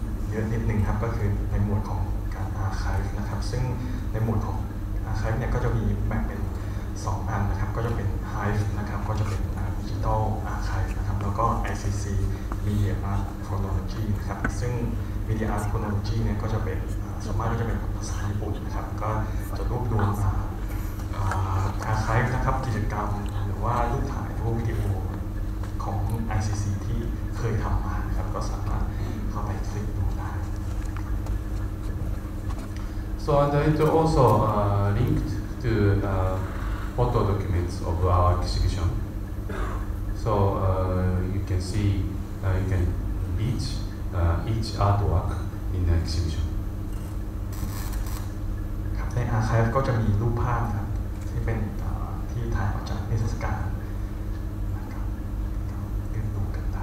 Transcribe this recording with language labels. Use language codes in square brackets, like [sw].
[th] เยอะนิดนึงครับก็คือในหมวดของการอาร์ไคฟ์นะครับซึ่งในหมวดของอาร์ไคฟ์เนี่ยก็จะมีแบ่งเป็น2อันนะครับก็จะเป็น Hive นะครับก็จะเป็นดิจิตอลอาร์ไคฟ์นะครับแล้วก็ ICC Media Chronology นะครับซึ่งMedia Chronology เนี่ยก็จะเป็นส่วนมากก็จะเป็นภาษาญี่ปุ่นนะครับก็จะรวบรวม อาร์ไคฟ์นะครับกิจกรรมหรือว่ารูปถ่ายรูปวิดีโอของ ICC ที่เคยทำมานะครับก็สามารถเข้าไปคลิกดูได้ [en] So and it also linked to photo documents of our exhibition so you can see you can reachEach artwork in the exhibition. [th] ครับในอาร์คีฟก็จะมีรูปภาพครับที่เป็นที่ถ่ายมาจากเทศกาลนะครับเรียนรู้กันได